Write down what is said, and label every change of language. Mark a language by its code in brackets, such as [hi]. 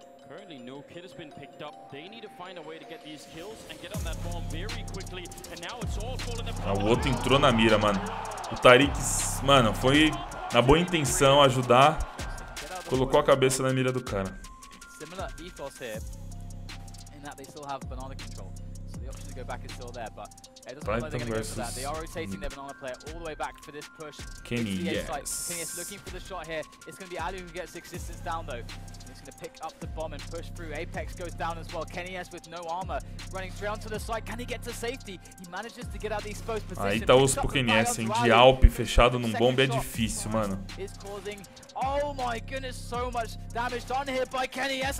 [en] Currently, no kit has been picked up. They need to find a way to get these kills and get on that bomb very quickly. And now it's all falling apart. [pt] Ah, o outro entrou na mira, mano. O Tarik, mano, foi na boa intenção ajudar. Colocou a cabeça na mira do cara. [en] Similar ethos here, in that they still have banana control. So the option to go back is still there, but it doesn't look like they're going to go for that. They are rotating their banana player all the way back for this push. Kenny, yes. Kenny is looking for the shot here. It's going to be Ali who gets existence down though. To pick up the bomb and push through. Apex goes down as well. Kenny S with no armor. Running straight onto the site. Can he get to safety? He manages to get out of the exposed position. [pt] Aí tá osso pro Kenny S, hein? De Alp fechado num bombe é difícil, mano. [en] Oh my goodness, so much damage done here by Kenny S.